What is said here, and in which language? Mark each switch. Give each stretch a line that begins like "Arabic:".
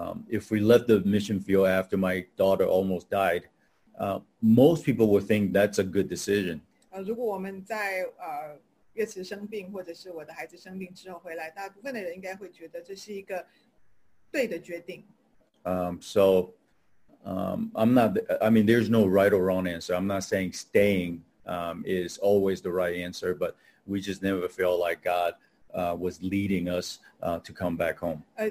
English: If we left the mission field after my daughter almost died, most people would think that's a good decision.
Chinese: 如果我们在月池生病或者是我的孩子生病之后回来，大部分的人应该会觉得这是一个对的决定。
English: There's no right or wrong answer. I'm not saying staying is always the right answer, but we just never feel like God was leading us to come back home.